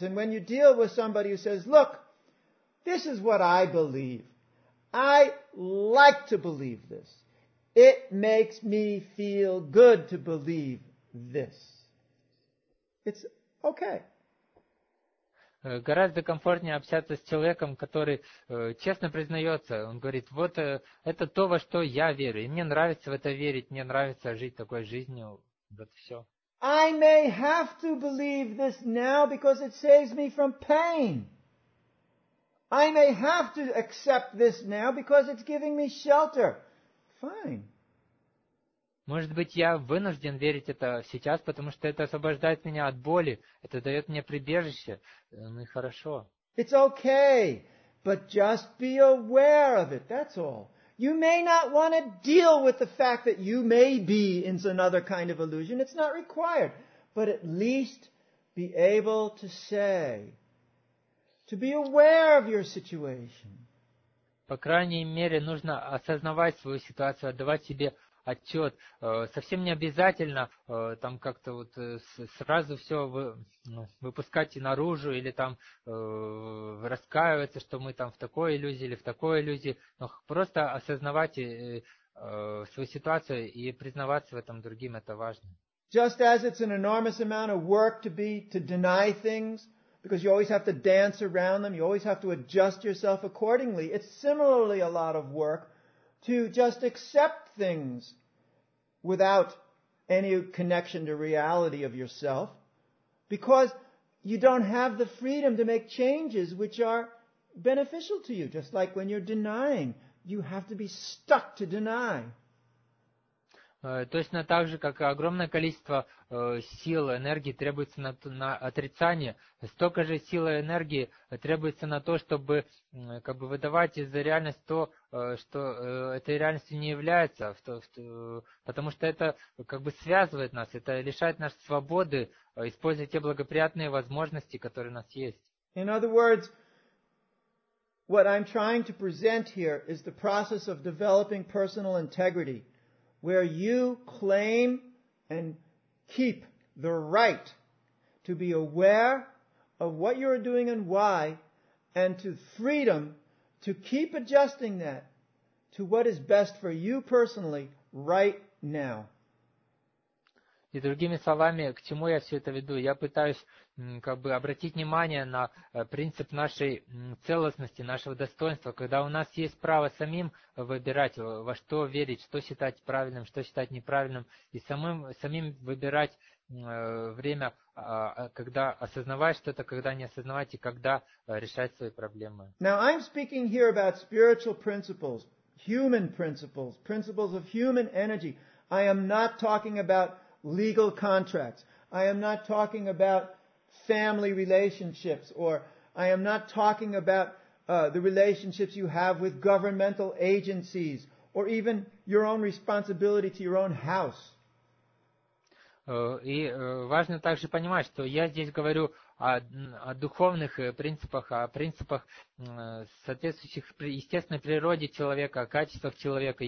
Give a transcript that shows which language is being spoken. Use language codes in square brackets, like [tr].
[en] And when you deal with somebody who says, look, this is what I believe. I like to believe this. It makes me feel good to believe this. It's okay. [ru] Гораздо комфортнее общаться с человеком, который честно признается. Он говорит, вот это то, во что я верю. И мне нравится в это верить, мне нравится жить такой жизнью. Вот все. [en] I may have to believe this now because it saves me from pain. I may have to accept this now because it's giving me shelter. Fine. [ru] Может быть, я вынужден верить это сейчас, потому что это освобождает меня от боли, это дает мне прибежище, ну и хорошо. [en] It's okay, but just be aware of it, that's all. You may not want to deal with the fact that you may be in another kind of illusion, it's not required, but at least be able to say, to be aware of your situation. [ru] По крайней мере, нужно осознавать свою ситуацию, отдавать себе отчет. Совсем не обязательно там как-то вот сразу все выпускать наружу или там раскаиваться, что мы там в такой иллюзии или в такой иллюзии, но просто осознавать свою ситуацию и признаваться в этом другим, это важно. [en] Just as it's an enormous amount of work to deny things, because you always have to dance around them, you always have to adjust yourself accordingly, it's similarly a lot of work to just accept things without any connection to reality of yourself, because you don't have the freedom to make changes which are beneficial to you, just like when you're denying, you have to be stuck to deny. [ru] Точно так же, как огромное количество сил, энергии требуется на отрицание, столько же сил и энергии требуется на то, чтобы как бы выдавать за реальность то, что этой реальностью не является, потому что это как бы связывает нас, это лишает нас свободы использовать те благоприятные возможности, которые у нас есть. [en] In other words, what I'm trying to present here is the process of developing personal integrity, where you claim and keep the right to be aware of what you are doing and why, and to freedom to keep adjusting that to what is best for you personally right now. [ru] И другими словами, к чему я все это веду? Я пытаюсь как бы обратить внимание на принцип нашей целостности, нашего достоинства, когда у нас есть право самим выбирать, во что верить, что считать правильным, что считать неправильным, и самим выбирать время, когда осознавать что-то, когда не осознавать, и когда решать свои проблемы. [en] Now I'm speaking here about spiritual principles, human principles, principles of human energy. I am not talking about legal contracts. I am not talking about family relationships, or I am not talking about the relationships you have with governmental agencies, or even your own responsibility to your own house. [ru] И важно также понимать, что я здесь говорю о духовных принципах, о принципах, соответствующих естественной природе человека, о качествах человека.